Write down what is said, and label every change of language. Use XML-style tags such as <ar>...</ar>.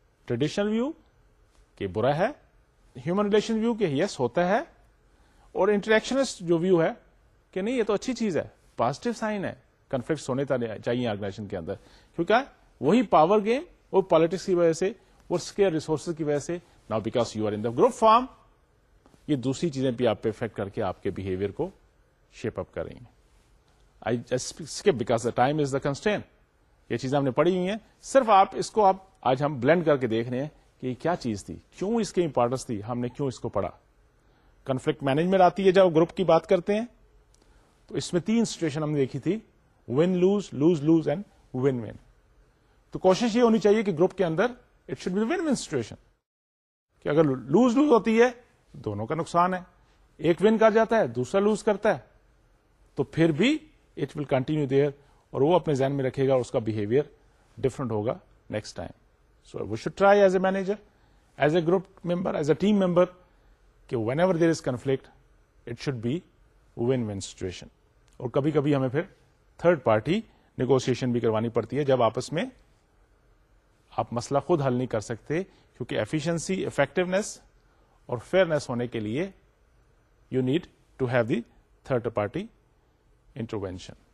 <ur>Traditional view کہ برا ہے, ہیومن ریلیشن ویو کہ یس ہوتا ہے, اور انٹریکشنسٹ جو ویو ہے کہ نہیں یہ تو اچھی چیز ہے, پازیٹو سائن ہے, کنفلکٹ ہونے چاہیے آرگنائزیشن کے اندر, کیونکہ وہی پاور گیم اور پالیٹکس کی وجہ سے اور اسکیئر ریسورسز کی وجہ سے</ur> <en>now because you are in the group form,</en> <ur>یہ دوسری چیزیں بھی آپ پہ افیکٹ کر کے آپ کے بہیویئر کو شیپ اپ کر رہی ہیں.</ur> <en>I just skip because the time is the constraint.</en> <ur>یہ چیزیں ہم نے پڑھی ہوئی ہیں, صرف آپ اس کو آپ آج ہم بلینڈ کر کے دیکھ رہے ہیں کہ یہ کیا چیز تھی, کیوں اس کی امپورٹنس تھی, ہم نے کیوں اس کو پڑھا. کنفلکٹ مینجمنٹ آتی ہے جب گروپ کی بات کرتے ہیں, تو اس میں تین سچویشن ہم نے دیکھی تھی, win lose, loose loose and one one. تو کوشش یہ ہونی چاہیے کہ گروپ کے اندر</ur> <en>it should be win win situation,</en> <ur>کہ اگر لوز لوز ہوتی ہے دونوں کا نقصان ہے, ایک ون کر جاتا ہے دوسرا لوز کرتا ہے, تو پھر بھی</ur> <en>it will continue there</en> <ur>اور وہ اپنے ذہن میں رکھے گا اور اس کا بیہیویئر ڈفرنٹ ہوگا next time.</ur> <en>So we should try as a manager, as a group member, as a team member, کہ whenever there is conflict it should be win win situation.</en> <ur>اور کبھی کبھی ہمیں پھر تھرڈ پارٹی نیگوسیشن بھی کروانی پڑتی ہے, جب آپس میں آپ مسئلہ خود حل نہیں کر سکتے, کیونکہ ایفیشنسی, افیکٹونیس اور فیئرنیس ہونے کے لیے</ur> <en>You need to have the third party intervention.</en>